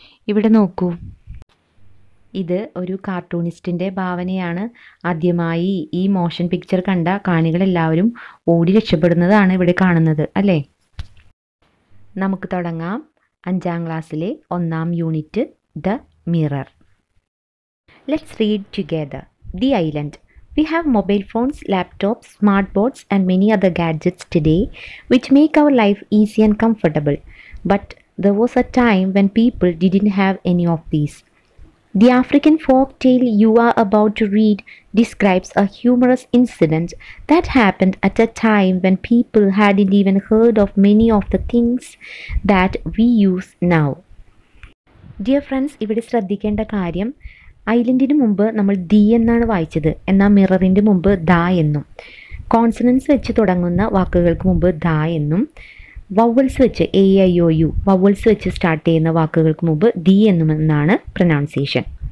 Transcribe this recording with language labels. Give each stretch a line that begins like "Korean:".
Malayalam: ഇവിടെ നോക്കൂ, ഇത് ഒരു കാർട്ടൂണിസ്റ്റിൻ്റെ ഭാവനയാണ്. ആദ്യമായി ഈ മോഷൻ പിക്ചർ കണ്ട കാണികളെല്ലാവരും ഓടി രക്ഷപ്പെടുന്നതാണ് ഇവിടെ കാണുന്നത് അല്ലേ. നമുക്ക് തുടങ്ങാം 5ാം ക്ലാസ്സിലെ 1ാം unit, the mirror.
English: Let's read together. The island. We have mobile phones, laptops, smart boards and many other gadgets today which make our life easy and comfortable. But there was a time when people didn't have any of these. The African folk tale you are about to read describes a humorous incident that happened at a time when people hadn't even heard of many of the things that we use now. Dear friends,
Malayalam: ഇവിടെ ശ്രദ്ധിക്കേണ്ട കാര്യം, ഐലൻഡിന് മുമ്പ് നമ്മൾ the എന്നാണ് വായിച്ചത്, എന്നാൽ മിററിൻ്റെ മുമ്പ് the എന്നും, കോൺസണൻസ് വെച്ച് തുടങ്ങുന്ന വാക്കുകൾക്ക് മുമ്പ് ദ എന്നും, വവൽസ് വെച്ച് A I O U vowels വെച്ച് സ്റ്റാർട്ട് ചെയ്യുന്ന വാക്കുകൾക്ക് മുമ്പ് ദി എന്നും എന്നാണ് പ്രൊനൗൺസിയേഷൻ.